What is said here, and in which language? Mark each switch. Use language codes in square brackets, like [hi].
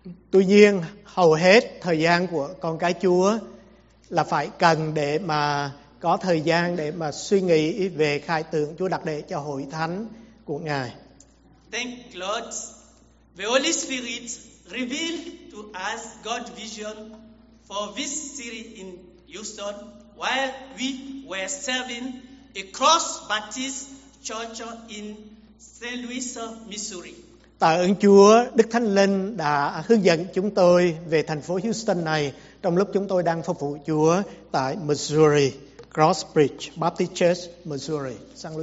[vi] Tuy nhiên, hầu hết thời gian của con cái Chúa là phải cần để mà có thời gian để mà suy nghĩ về khải tượng Chúa đặt để cho hội thánh của Ngài. [en] Thank God, the Holy Spirit revealed to us God's vision for this city in Houston while we were serving a Cross Baptist Church in St. Louis, Missouri. [vi] Tạ ơn Chúa, Đức Thánh Linh đã hướng dẫn chúng tôi về thành phố Houston này trong lúc chúng tôi đang phục vụ Chúa tại Missouri, Crossbridge Baptist Church, Missouri, St.